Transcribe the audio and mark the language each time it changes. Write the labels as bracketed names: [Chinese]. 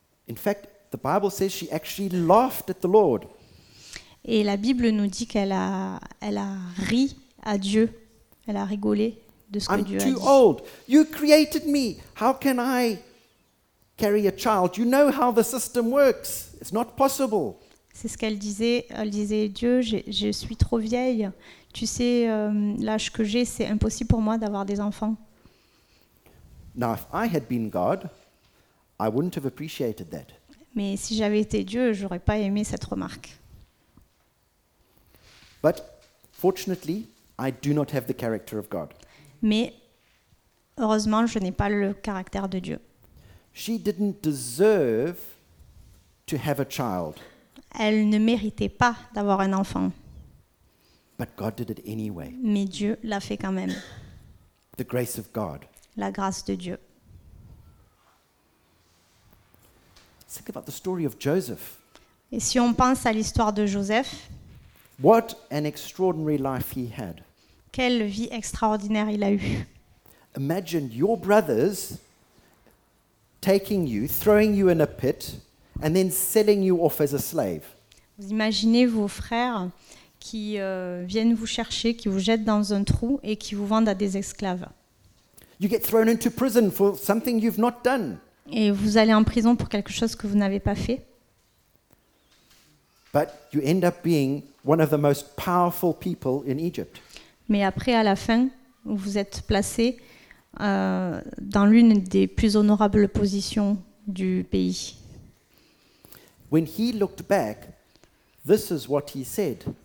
[English] In fact, the Bible says she actually laughed at the Lord. [French] Et la Bible nous dit qu'elle a ri. À Dieu, elle a rigolé de ce que Dieu a dit. [English] I'm too old. You created me. How can I carry a child? You know how the system works. It's not possible. [French] C'est ce qu'elle disait. Elle disait, Dieu, je suis trop vieille. Tu sais, l'âge que j'ai, c'est impossible pour moi d'avoir des enfants. [English] Now, if I had been God, I wouldn't have appreciated that. [French] Mais si j'avais été Dieu, j'aurais pas aimé cette remarque. [English] But fortunately, I do not have the character of God. [French] Mais heureusement, je n'ai pas le caractère de Dieu. [English] She didn't deserve to have a child. [French] Elle ne méritait pas d'avoir un enfant. [English] But God did it anyway. [French] Mais Dieu l'a fait quand même. [English] The grace of God. [French] La grâce de Dieu. [English] Think about the story of Joseph. [French] Et si on pense à l'histoire de Joseph, [English] what an extraordinary life he had. [French] Quelle vie extraordinaire il a eue. [English] Imagine your brothers taking you, throwing you in a pit, and then selling you off as a slave. [French] Vous imaginez vos frères qui viennent vous chercher, qui vous jettent dans un trou et qui vous vendent à des esclaves. [English] You get thrown into prison for something you've not done. [French] Et vous allez en prison pour quelque chose que vous n'avez pas fait. [English] But you end up being one of the most powerful people in Egypt. [French] Mais après, à la fin, vous êtes placé dans l'une des plus honorables positions du pays. [English] When he looked back, this is what he said.